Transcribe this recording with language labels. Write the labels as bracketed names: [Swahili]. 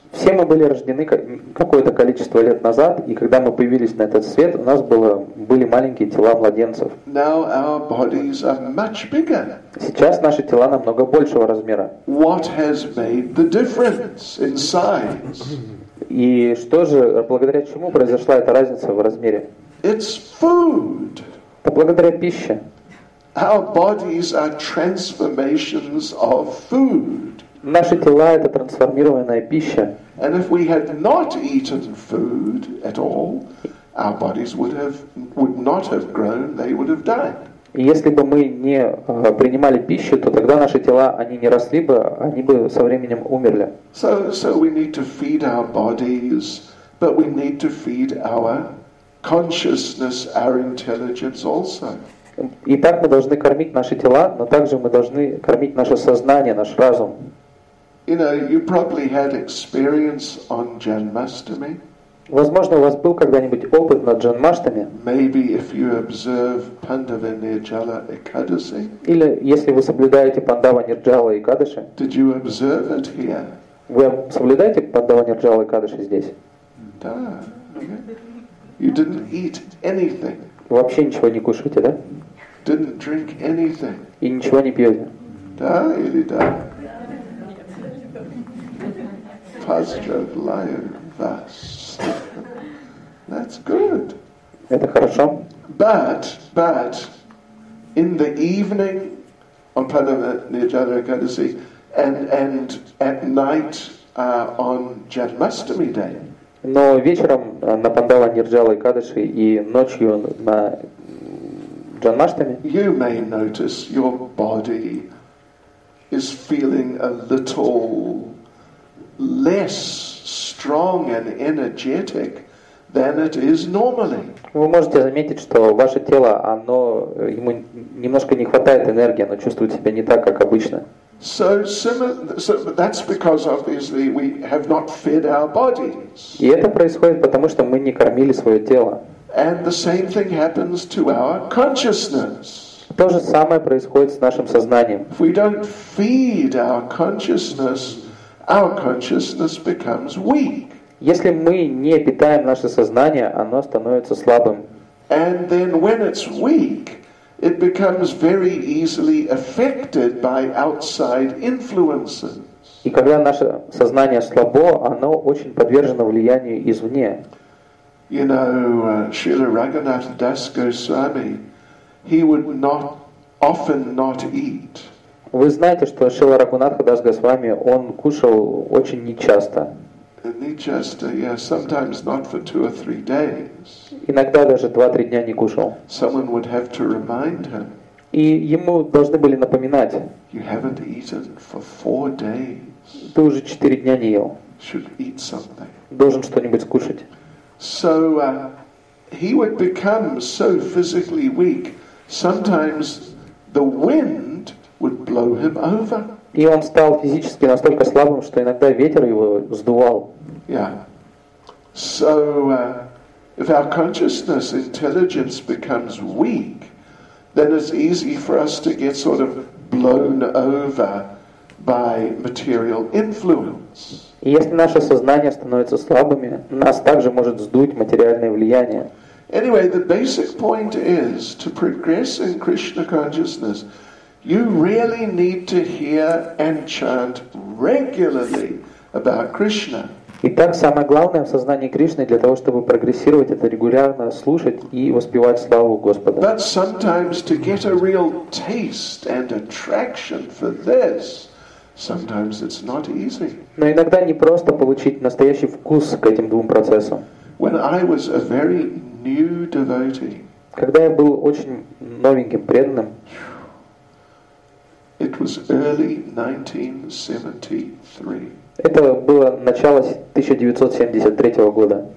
[Russian] Все мы были рождены какое-то количество лет назад, и когда мы появились на этот свет, у нас были маленькие тела младенцев. [English] Now our bodies are much bigger. [Russian] Сейчас наши тела намного большего размера. [English] What has made the difference in size? [Russian] И что же, благодаря чему произошла эта разница в размере? [English] It's food. [Russian] Это благодаря пище. [English] Our bodies are transformations of food. [Russian] Наши тела это трансформированная пища. [English] And if we had not eaten food at all, our bodies would not have grown, they would have died. [Russian] Если бы мы не принимали пищу, то тогда наши тела они не росли бы, они бы со временем умерли. [English] So we need to feed our bodies, but we need to feed our consciousness, our intelligence also. [Russian] Итак, мы должны кормить наши тела, но также мы должны кормить наше сознание, наш разум. [English] You know, you probably had experience on Janmashtami. [Russian] Возможно, у вас был когда-нибудь опыт на Джанмаштами. [English] Maybe if you observe Pandava Nirjala Ekadasi. [Russian] Или если вы соблюдаете Пандава Нирджала Экадаши. [English] Did you observe it here? [Russian] Вы соблюдаете Пандава Нирджала Экадаши здесь? Да. [English] You didn't eat anything. [Russian] Вообще ничего не кушаете, да? [English] Didn't drink anything. [Russian] И ничего не пьете? Да или да? Поздравляю вас. [English] That's good. [Russian] Это хорошо. [English] But in the evening on Pandava Nirjala Ekadasi and at night on Janmashtami day. [Russian] Но вечером на Пандава Нирджала и Кадыши и ночью на Джанмаштами. [English] You may notice your body is feeling a little less strong and energetic than it is normally. [Russian] Вы можете заметить, что ваше тело, оно ему немножко не хватает энергии, оно чувствует себя не так, как обычно. [English] So, that's because obviously we have not fed our bodies. [Russian] И это происходит потому, что мы не кормили свое тело. [English] And the same thing happens to our consciousness. [Russian] То же самое происходит с нашим сознанием. [English] If we don't feed our consciousness becomes weak. [Russian] Если мы не питаем наше сознание, оно становится слабым. [English] And then when it's weak, it becomes very easily affected by outside influences. [Russian] И когда наше сознание слабо, оно очень подвержено влиянию извне. [English] You know, Srila Raghunath Das Goswami, he would not often not eat. [Russian] Вы знаете, что Шрила Рагхунатха Дас Госвами, он кушал очень нечасто. Нечасто, [English] yeah, sometimes not for two or three days. [Russian] Иногда даже 2-3 дня не кушал. [English] Someone would have to remind him. [Russian] И ему должны были напоминать. [English] You haven't eaten for 4 days. [Russian] Ты уже 4 дня не ел. [English] Should eat something. [Russian] Должен что-нибудь скушать. [English] So he would become so physically weak. Sometimes the wind would blow him over. [Russian] И он стал физически настолько слабым, что иногда ветер его сдувал. [English] Yeah. So if our consciousness intelligence becomes weak, then it's easy for us to get sort of blown over by material influence. [Russian] И если наше сознание становится слабыми, нас также может сдуть материальное влияние. [English] Anyway, the basic point is to progress in Krishna consciousness. You really need to hear and chant regularly about Krishna. [Russian] Итак, самое главное в сознании Кришны для того, чтобы прогрессировать, это регулярно слушать и воспевать славу Господа. [English] But sometimes to get a real taste and attraction for this, sometimes it's not easy. [Russian] Но иногда не просто получить настоящий вкус к этим двум процессам. [English] When I was a very new devotee. [Russian] Когда я был очень новеньким преданным. [English] It was early 1973. [Russian] Это было начало 1973 года.